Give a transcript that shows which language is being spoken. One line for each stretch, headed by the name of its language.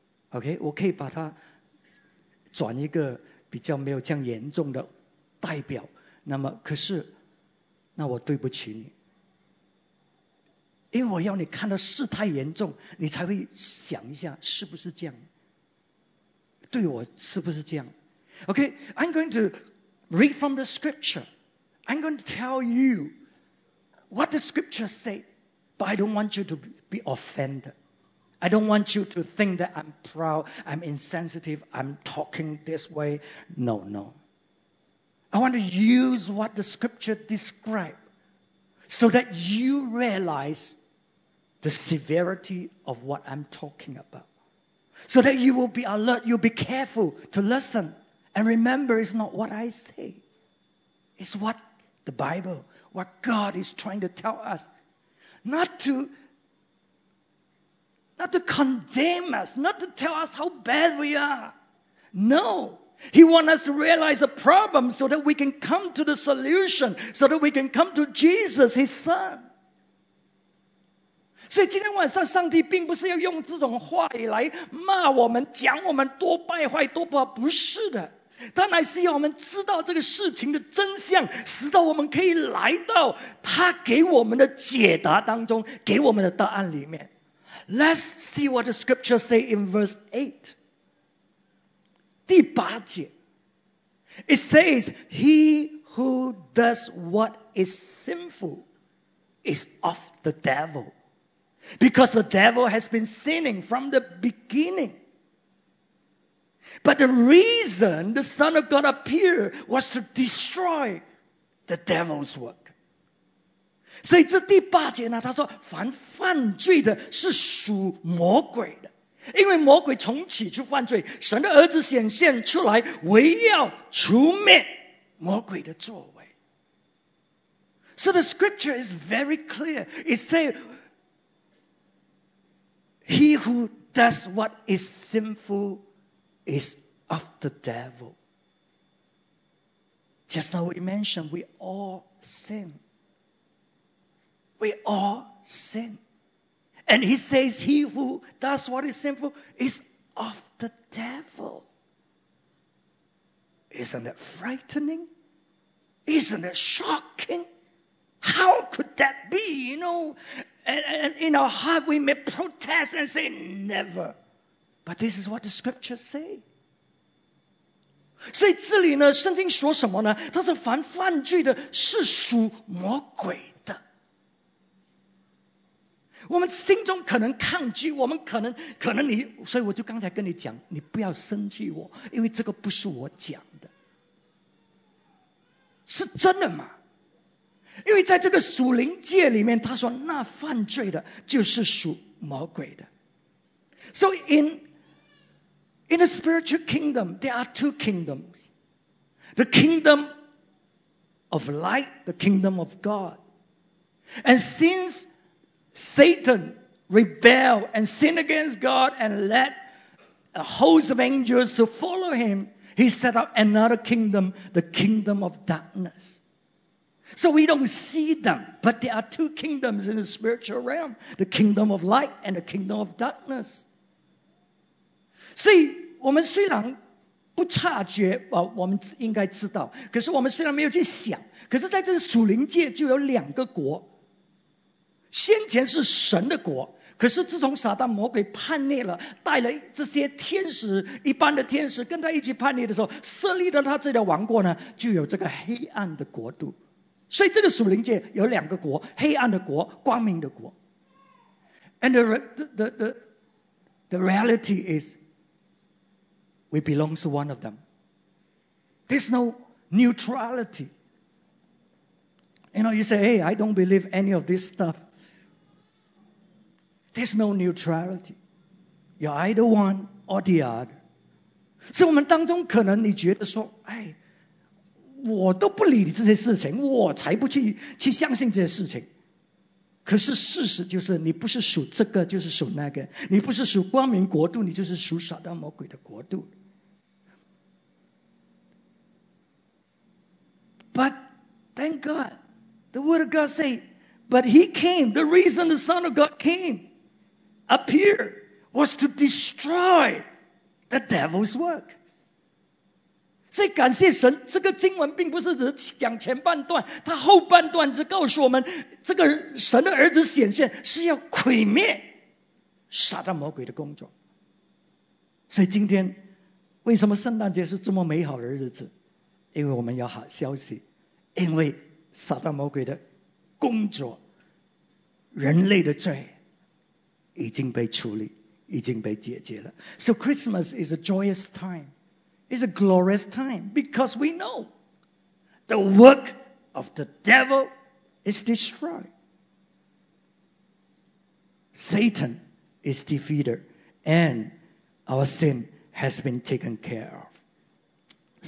Chinese: OK， 我可以把它转一个比较没有这样严重的代表。那么，可是那我对不起你。因为我要你看到事太严重，你才会想一下是不是这样，对我是不是这样。
English: OK， I'm going to read from the scripture. I'm going to tell you what the scripture say, but I don't want you to be offended. I don't want you to think that I'm proud, I'm insensitive, I'm talking this way. No, no. I want to use what the scripture describe so that you realizeThe severity of what I'm talking about. So that you will be alert, you'll be careful to listen. And remember, it's not what I say. It's what the Bible, what God is trying to tell us. Not to condemn us, not to tell us how bad we are. No. He wants us to realize a problem so that we can come to the solution, so that we can come to Jesus, His Son.
Chinese: 所以今天晚上上帝并不是要用这种话语来骂我们，讲我们多败坏多不好，不是的，他乃是要我们知道这个事情的真相，使到我们可以来到他给我们的解答当中，给我们的答案里面。
English: Let's see what the scripture say in verse 8,
Chinese: 第八节。
English: It says, He who does what is sinful is of the devilBecause the devil has been sinning from the beginning. But the reason the Son of God appeared was to destroy the devil's work.
Chinese: 所以这第八节呢，他说凡犯罪的是属魔鬼的。因为魔鬼从起初犯罪，神的儿子显现出来，唯要除灭魔鬼的作为。
English: So the scripture is very clear. It says, he who does what is sinful is of the devil. Just now we mentioned, we all sin. We all sin. And he says, he who does what is sinful is of the devil. Isn't that frightening? Isn't that shocking? How could that be, you know? And in our heart, we may protest and say, never. But this is what the scriptures say.
Chinese: 所以这里呢, 圣经说什么呢?他说凡犯罪的是属魔鬼的。我们心中可能抗拒, 我们可能你, 所以我就刚才跟你讲, 你不要生气我, 因为这个不是我讲的。是真的吗?因为在这个属灵界里面, 他说, 那犯罪的就是属魔鬼的。
English: So in the spiritual kingdom, there are two kingdoms. The kingdom of light, the kingdom of God. And since Satan rebelled and sinned against God and led a host of angels to follow him, he set up another kingdom, the kingdom of darkness. So we don't see them, but there are two kingdoms in the spiritual realm, the kingdom of light and the kingdom of darkness. See,
Chinese: 我们虽然不察觉, 我们应该知道, 可是我们虽然没有去想, 可是在这个属灵界就有两个国, 先前是神的国, 可是自从撒旦魔鬼叛逆了, 带了这些天使, 一般的天使, 跟他一起叛逆的时候, 设立了他自己的王国呢, 就有这个黑暗的国度, 所以这个属灵界有两个国, 黑暗的国, 光明的国。
English: And the reality is, we belong to one of them. There's no neutrality. You know, you say, hey, I don't believe any of this stuff. There's no neutrality. You're either one or the other.
Chinese: 所以我们当中可能你觉得说, 哎, 我都不理你这些事情, 我才不去相信这些事情。可是事实就是你不是属这个, 就是属那个, 你不是属光明国度, 你就是属撒旦魔鬼的国度。
English: But thank God, the word of God say, but he came, the reason the Son of God came, appeared, was to destroy the devil's work.
Chinese: 所以感谢神, 这个经文并不是只讲前半段, 它后半段只告诉我们, 这个神的儿子显现, 是要毁灭撒旦魔鬼的工作。所以今天, 为什么圣诞节是这么美好的日子? 因为我们要好消息, 因为撒旦魔鬼的工作, 人类的罪, 已经被处理, 已经被解决了。
English: So Christmas is a joyous time. It's a glorious time because we know the work of the devil is destroyed. Satan is defeated and our sin has been taken care of.